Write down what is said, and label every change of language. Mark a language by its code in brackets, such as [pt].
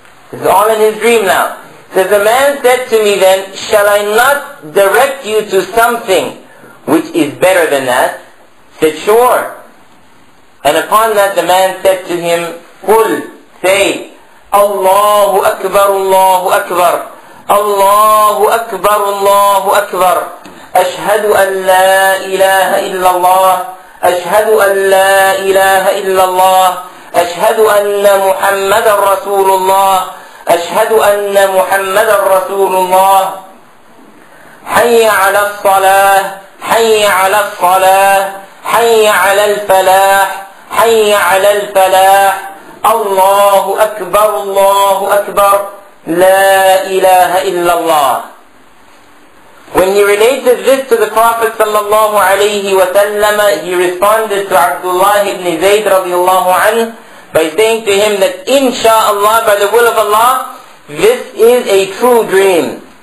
[en] This is all in his dream now. He says, the man said to me then, shall I not direct you to something which is better than that? He said, sure. And upon that the man said to him, [ar] قل, [en] say, [ar] Allahu Akbar, Allahu Akbar. الله أكبر الله أكبر أشهد أن لا إله إلا الله أشهد أن لا إله إلا الله أشهد أن محمد رسول الله أشهد أن محمد رسول الله حي على الصلاة حي على الصلاة حي على الفلاح حي على الفلاح الله أكبر الله أكبر لا إله إلا الله. [en] When he related this to the Prophet [ar] صلى الله عليه وسلم, [en] he responded to Abdullah ibn Zayd [ar] رضي الله عنه [en] by saying to him that inshallah, by the will of Allah, this is a true dream.